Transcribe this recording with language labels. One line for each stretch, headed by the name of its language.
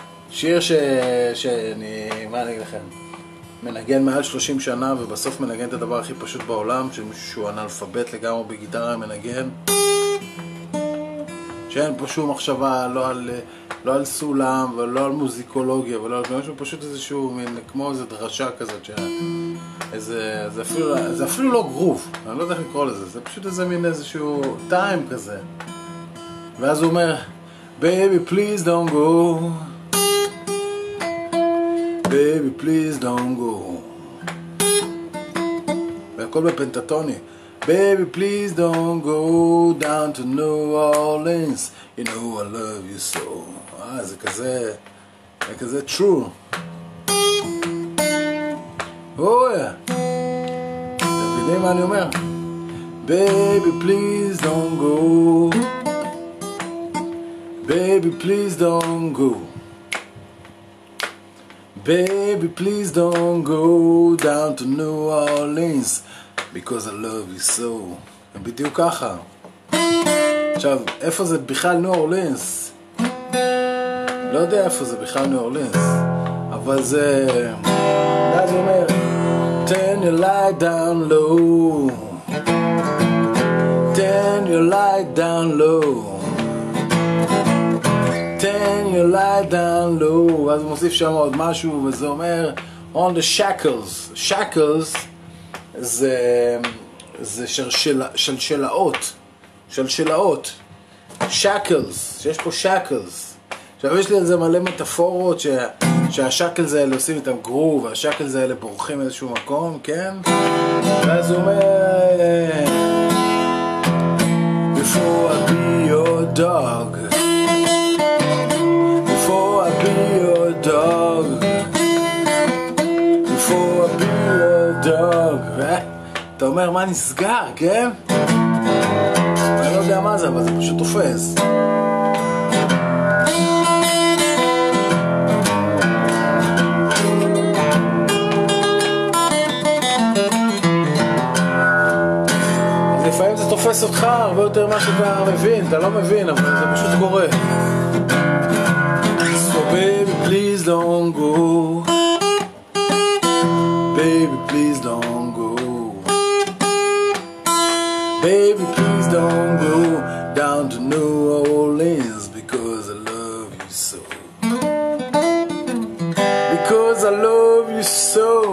Hebrew: שיר שאני... מה אני אגיד לכם? מנגן מעל 30 שנה ובסוף מנגן את הדבר הכי פשוט בעולם, שהוא אנלפבט לגמרי בגיטרה מנגן, שאין פה שום מחשבה לא על לא על סולם ולא על מוזיקולוגיה ולא על משהו, פשוט איזשהו מין, כמו איזה דרשה כזאת ש... זה אפילו לא גרוב, אני לא יודע איך לקרוא לזה, זה פשוט איזה מין איזשהו טיים כזה. ואז הוא אומר,
English: baby please don't go, baby please don't go,
Hebrew: והכל בפנטטוני,
English: baby please don't go down to New Orleans, you know I love you so.
Hebrew: זה כזה, זה כזה
English: true.
Hebrew: אוי, אתם יודעים מה אני אומר?
English: Baby, please don't go. Baby, please don't go. Baby, please don't go down to New Orleans because I love you so.
Hebrew: בדיוק ככה. עכשיו, איפה זה בכלל New Orleans? לא יודע איפה זה בכלל New Orleans, אבל זה... אז הוא אומר...
English: Turn your light down low, turn your light down low, turn your light down low.
Hebrew: אז מוסיף שם עוד משהו וזה אומר
English: on the shackles.
Hebrew: Shackles זה שלשלאות, שלשלאות, shackles, שיש פה shackles. עכשיו יש לי על זה מלא מטאפורות ש... שהשקלז האלה עושים איתם גרו והשקלז האלה בורחים איזשהו מקום, כן? ואז הוא אומר
English: Before I be your dog, Before I be your dog, Before I be your dog.
Hebrew: ואתה אומר מה נסגר, כן? אני לא יודע מה זה, אבל זה פשוט תופס. תופס אותך הרבה יותר מה שאתה מבין, אתה לא מבין, אבל זה פשוט קורה.
English: So baby please don't go, baby please don't go, baby please don't go down to New Orleans because I love you so, because I love you so.